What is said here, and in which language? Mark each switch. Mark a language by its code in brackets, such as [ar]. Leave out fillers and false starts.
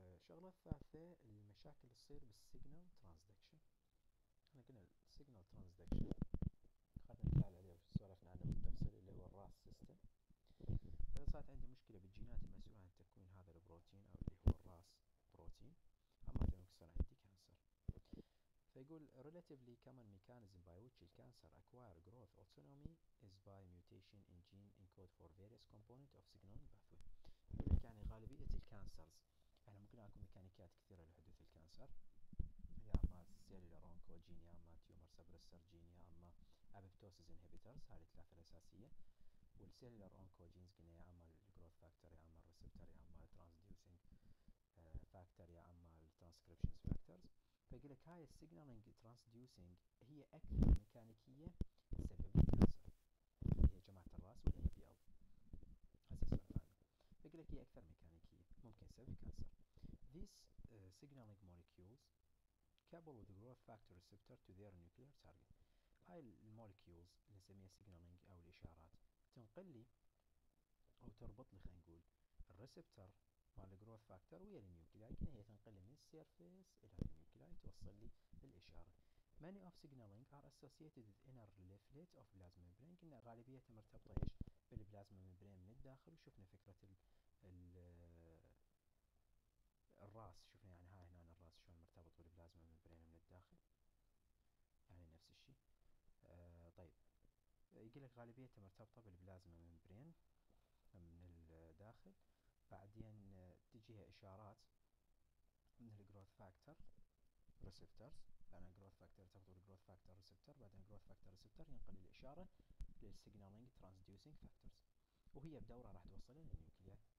[ar] المرة الثالثة المشاكل تصير بالسيجنال ترانزدكشن. احنا قلنا السيجنال ترانزدكشن خلينا نتكلم عليه وسولفنا عنه بالتفصيل اللي هو الراس سيستم. فإذا صارت عندي مشكلة بالجينات المسؤولة عن تكوين هذا البروتين أو اللي هو الراس بروتين، أما تنكسر عندي كانسر. [en] فيقول relatively common mechanism by which cancer acquire growth autonomy is by mutation in gene encode for various component of signaling pathway. [ar] يقول لك يعني غالبية الكانسرز، احنا ممكن اكو ميكانيكيات كثيرة لحدوث الكانسر، يا اما سيلولار اونكوجين، يا اما تيومر سبريسر جين، يا اما ابيبتوسيس انهبيترز، هذه الثلاثة الاساسية. والسيلولار اونكوجينز قلنا يا اما الجروث فاكتور، يا اما الريسبتر، يا اما الترانسديوسنج فاكتور، يا اما الترانسكريبشن فاكتورز. فيقول لك هاي السيجنالينج ترانسديوسنج هي اكثر ميكانيكيه تسبب الكانسر، هي جماعه الراس والاي بي ال. فيقول لك هي اكثر ميكانيكيه ممكن تسبب الكانسر. [en] These signaling molecules couple with growth factor receptor to their nuclear target. [ar] هاي المولكيولز اللي نسميها signaling او الاشارات تنقل لي او تربط لي خلينا نقول الريسبتر مال الجروث فاكتور ويا النيوكلياي، كنا هي تنقل من السيرفيس الى النيوكلياي توصل لي الاشاره. [en] Many of signaling are associated with inner leaflet of plasma membrane. [ar] كنا غالبية مرتبطة ايش بالبلازما ميمبرين من الداخل. وشفنا فكرة الـ الراس، شفنا يعني هاي هنا الراس شلون مرتبط بالبلازما ميمبرين من الداخل، يعني نفس الشيء. طيب يقول لك غالبية مرتبطة بالبلازما ميمبرين من الداخل، بعدين تجيها اشارات من الجروث فاكتور ريسبتورز، بعدين الجروث فاكتور تاخذ الجروث فاكتور ريسبتور، بعدين الجروث فاكتور ريسبتور ينقل الاشاره للسيجنالينج ترانسديوسينج فاكتورز، وهي بدورها راح توصل للنيوكليا.